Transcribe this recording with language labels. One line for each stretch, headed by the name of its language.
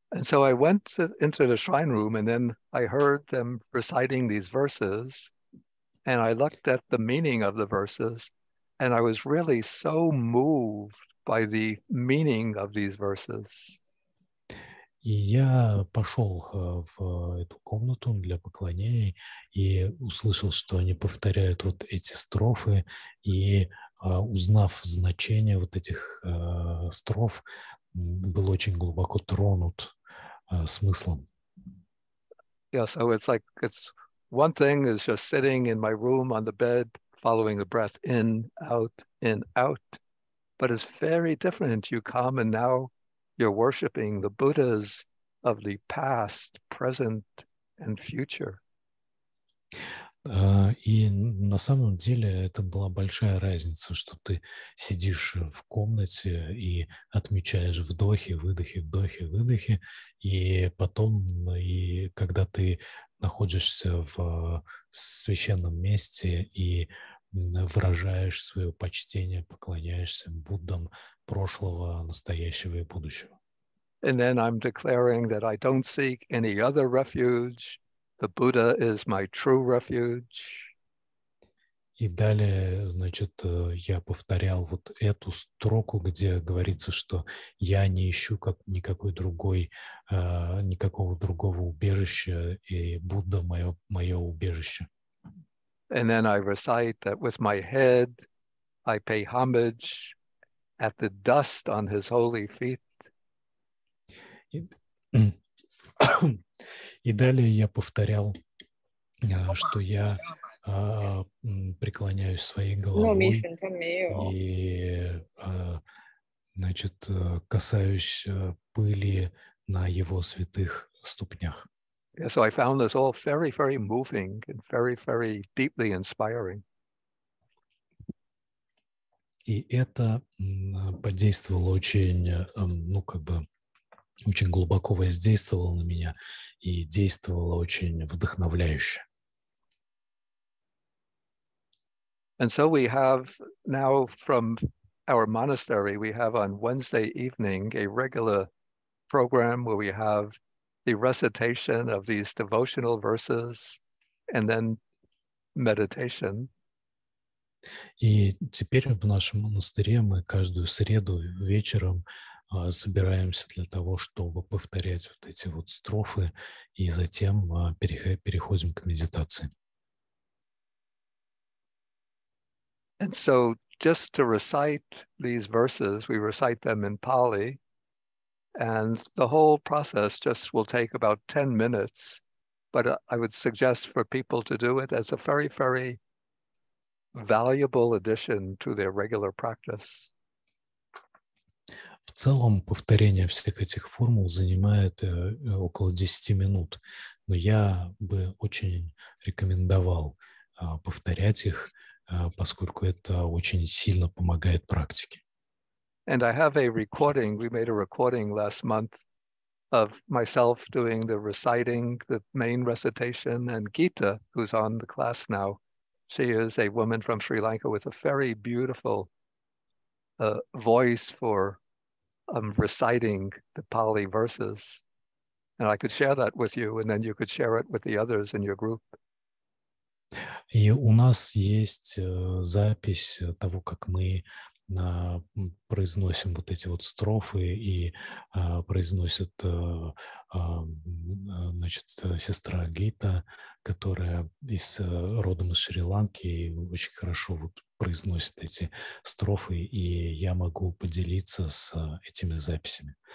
English: And so I went into the shrine room and then I heard them reciting these verses and I looked at the meaning of the verses and I was really so moved by the meaning of these verses.
Russian: И я пошел в эту комнату для поклонений и услышал, что они повторяют вот эти строфы. И узнав значение вот этих строф, был очень глубоко тронут смыслом.
English: Yeah, so it's like it's one thing is just sitting in my room on the bed, following the breath in, out, but it's very different. You come and now you're worshiping the Buddhas of the past, present, and future.
Russian: И на самом деле это была большая разница, что ты сидишь в комнате и отмечаешь вдохи, выдохи, вдохи, выдохи, и потом, и когда ты находишься в священном месте и выражаешь свое почтение, поклоняешься Буддам прошлого, настоящего и будущего.
English: And then I'm declaring that I don't seek any other refuge. The Buddha is my true refuge.
Russian: И далее, значит, я повторял вот эту строку, где говорится, что я не ищу как никакой другой, никакого другого убежища, и Будда мое убежище.
English: And then I recite that with my head I pay homage at the dust on his holy feet.
Russian: И далее я повторял, что я преклоняюсь своей головой и, значит, касаюсь пыли на его святых ступнях.
English: Yeah, so I found this all very, very moving and very, very deeply inspiring.
Russian: И это подействовало очень, ну, как бы, очень глубоко воздействовало на меня и действовало очень вдохновляюще.
English: And so we have now from our monastery, we have on Wednesday evening a regular program where we have the recitation of these devotional verses and then meditation.
Russian: И теперь в нашем монастыре мы каждую среду вечером собираемся для того, чтобы повторять вот эти вот строфы, и затем переходим к медитации.
English: And so just to recite these verses, we recite them in Pali, and the whole process just will take about 10 minutes, but I would suggest for people to do it as a very, very valuable addition to their regular practice.
Russian: В целом повторение всех этих формул занимает около 10 минут, но я бы очень рекомендовал повторять их, поскольку это очень сильно помогает практике.
English: And I have a recording, we made a recording last month of myself doing the reciting, the main recitation, and Gita, who's on the class now, she is a woman from Sri Lanka with a very beautiful voice for reciting the Pali verses. And I could share that with you, and then you could share it with the others in your group.
Russian: И у нас есть запись того, как мы произносим вот эти вот строфы, и произносит, значит, сестра Гита, которая родом из Шри-Ланки, и очень хорошо вот произносит эти строфы, и я могу поделиться с этими записями.